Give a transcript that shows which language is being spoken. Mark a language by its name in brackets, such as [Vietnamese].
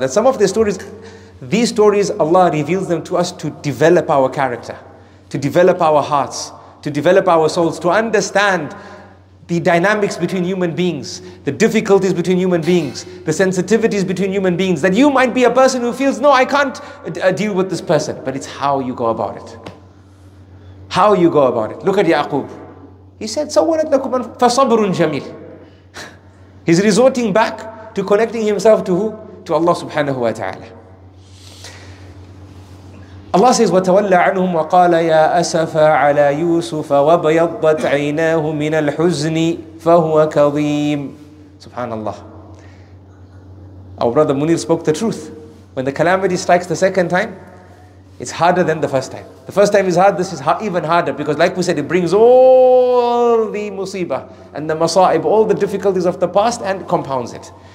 [English] That some of the stories, these stories, Allah reveals them to us to develop our character, to develop our hearts, to develop our souls, to understand the dynamics between human beings, the difficulties between human beings, the sensitivities between human beings, that you might be a person who feels, no, I can't deal with this person. But it's how you go about it. How you go about it. Look at Ya'qub. He said, [Arabic] سَوَّلَتْ لَكُمْ فَصَبْرٌ جَمِيلٌ. [English] He's resorting back to connecting himself to who? To Allah subhanahu wa ta'ala. Allah says, [Arabic] وَتَوَلَّ عَنْهُمْ وَقَالَ يَا أَسَفَ عَلَى يُوسُفَ وَبَيَضَّتْ عَيْنَاهُ مِنَ الْحُزْنِ فَهُوَ كَظِيمٌ. [English] Subhanallah. Our brother Munir spoke the truth. When the calamity strikes the second time, it's harder than the first time. The first time is hard, this is even harder because like we said, it brings all the musibah and the masa'ib, all the difficulties of the past and compounds it.